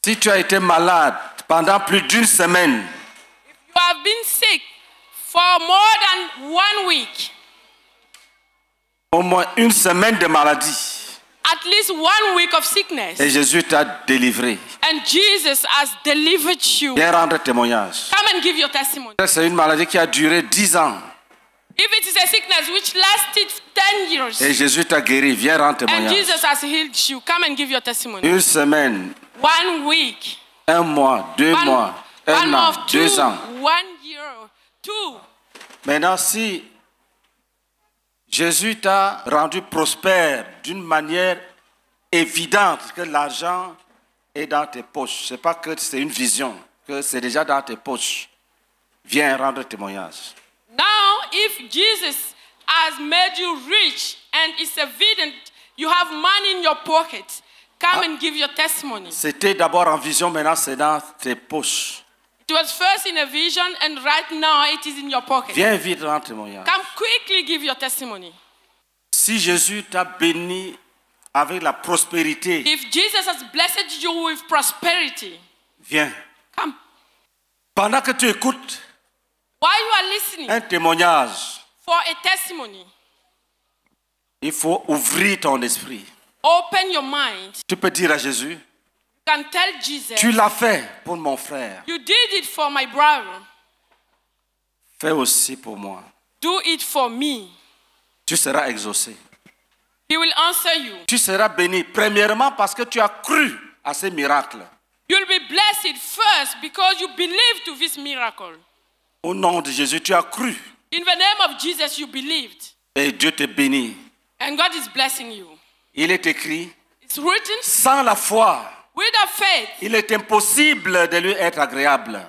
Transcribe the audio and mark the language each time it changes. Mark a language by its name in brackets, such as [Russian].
[French] Si tu as été malade pendant plus d'une semaine, [English] if you have been sick for more than 1 week, [French] au moins une semaine de maladie, [English] at least 1 week of sickness, [French] et Jésus t'a délivré, [English] and Jesus has delivered you, [French] viens rendre témoignage. [English] Come and give your testimony. [French] C'est une maladie qui a duré 10 ans. [English] If it is a sickness which lasted 10 years, [French] et Jésus t'a guéri, viens rendre témoignage. [English] And Jesus has healed you, come and give your testimony. [French] Une semaine, [English] 1 week, [French] un mois, deux mois, un an, deux ans. [English] 1 year, two. [French] Maintenant, si Jésus t'a rendu prospère d'une manière évidente que l'argent est dans tes poches, c'est pas que c'est une vision, que c'est déjà dans tes poches, viens rendre témoignage. [English] Now, if Jesus has made you rich and it's evident you have money in your pocket, come and give your testimony. [French] C'était d'abord en vision, maintenant c'est dans tes poches. [English] It was first in a vision and right now it is in your pocket. [French] Viens vite rendre témoignage. [English] Come quickly give your testimony. [French] Si Jésus t'a béni avec la prospérité, [English] if Jesus has blessed you with prosperity, [French] viens. [English] Come. [French] Pendant que tu écoutes, [English] while you are listening, [French] un témoignage, [English] for a testimony, [French] il faut ouvrir ton esprit. [English] Open your mind. [French] Tu peux dire à Jésus, [English] you can tell Jesus, [French] tu l'as fait pour mon frère. [English] You did it for my brother. [French] Fais aussi pour moi. [English] Do it for me. [French] Tu seras exaucé. [English] He will answer you. [French] Tu seras béni premièrement parce que tu as cru à ces miracles. [English] You'll be blessed first because you believed to this miracle. [French] Au nom de Jésus, tu as cru. [English] In the name of Jesus, you believed. [French] Et Dieu te bénit. [English] And God is blessing you. [French] Il est écrit, [English] it's written, [French] sans la foi, [English] without faith, [French] il est impossible de lui être agréable.